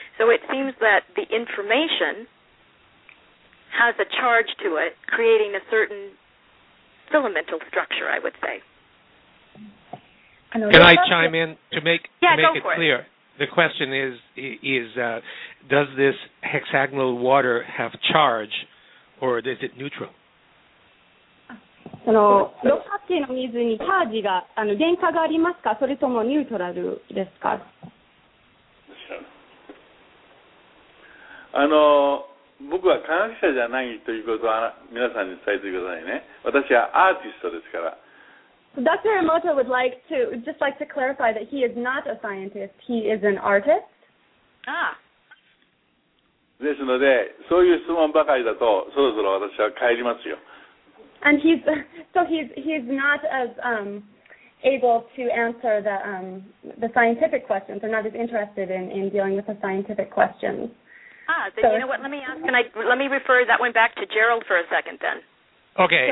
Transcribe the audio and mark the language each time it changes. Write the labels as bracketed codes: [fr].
[en] So it seems that the information has a charge to it, creating a certain filamental structure, I would say. Can I chime in to make, yeah, to make it clear? The question is does this hexagonal water have charge, or is it neutral? [ja] その六角形の水にチャージが、あの、電荷がありますか、それともニュートラルですか？あの、僕は科学者じゃないということは皆さんに伝えてくださいね。私はアーティストですから。 [en] Dr. Yamamoto would like to just like to clarify that he is not a scientist. He is an artist. Ah. [ja] ですので、そういう質問ばかりだと、そろそろ私は帰りますよ。 [en] And he's not as able to answer the scientific questions. They're not as interested in dealing with the scientific questions. Ah, then so, you know what? Let me ask. Let me refer that one back to Gerald for a second, then. Okay.